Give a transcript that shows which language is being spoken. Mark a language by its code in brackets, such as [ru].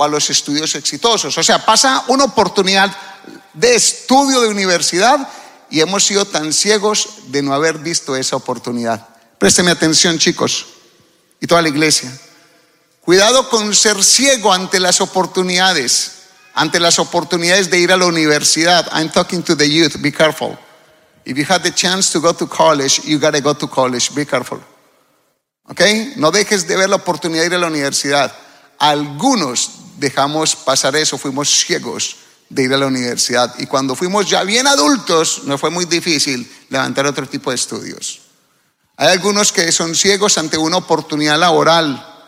[es] o a los estudios exitosos. O sea, pasa una oportunidad de estudio de universidad y hemos sido tan ciegos de no haber visto esa oportunidad. Présteme atención, chicos, y toda la iglesia. Cuidado con ser ciego ante las oportunidades, ante las oportunidades de ir a la universidad. [en] I'm talking to the youth, be careful. If you had the chance to go to college, you gotta go to college, be careful. [es] ¿Ok? No dejes de ver la oportunidad de ir a la universidad. Algunos dejamos pasar eso, fuimos ciegos de ir a la universidad. Y cuando fuimos ya bien adultos, nos fue muy difícil levantar otro tipo de estudios. Hay algunos que son ciegos ante una oportunidad laboral.